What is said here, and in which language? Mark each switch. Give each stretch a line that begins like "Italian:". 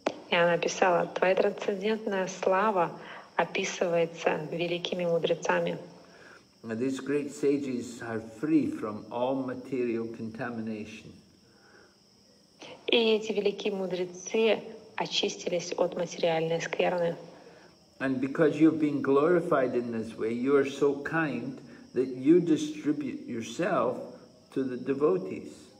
Russian: И она писала, твоя трансцендентная слава описывается великими мудрецами.
English: And these great sages are free from all material contamination.
Russian: И эти великие мудрецы очистились от материальной скверны.
English: And because you've been glorified in this way, you are so kind that you distribute yourself to the devotees.